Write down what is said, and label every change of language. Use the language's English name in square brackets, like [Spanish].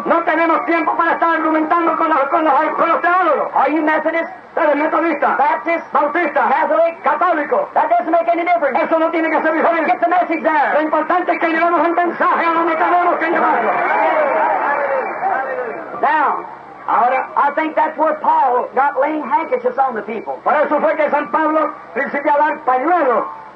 [Spanish] No tenemos tiempo para estar argumentando con los teólogos. [English] Are you Methodist? [Spanish] ¿Eres metodista? [English] Baptist? [Spanish] Bautista? [English] Catholic? [Spanish] Católico? [English] That doesn't make any difference. [Spanish] Eso no tiene que ser diferente. [English] Get the message there. [Spanish] Lo importante es que llevamos un mensaje a donde tenemos que llevarlo. [English] Now. [Spanish] Ahora, [English] I think that's where Paul got laying handkerchiefs on the people. [Spanish] Por eso fue que San Pablo principió a dar pañuelos.